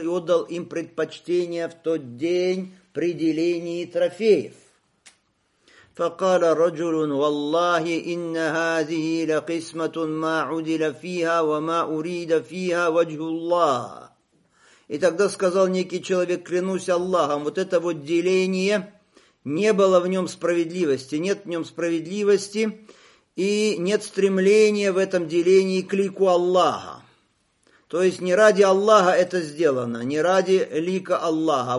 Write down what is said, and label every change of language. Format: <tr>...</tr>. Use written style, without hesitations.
<ru>И отдал им предпочтение в тот день при делении трофеев.</ru> <ar>فقال رجل والله إن هذه لقسمة ما عدل فيها وما أريد فيها وجه الله.</ar> <ru>И тогда сказал некий человек, клянусь Аллахом, вот это вот деление, не было в нем справедливости, нет в нем справедливости и нет стремления в этом делении к лику Аллаха. То есть не ради Аллаха это сделано, не ради лика Аллаха.</ru>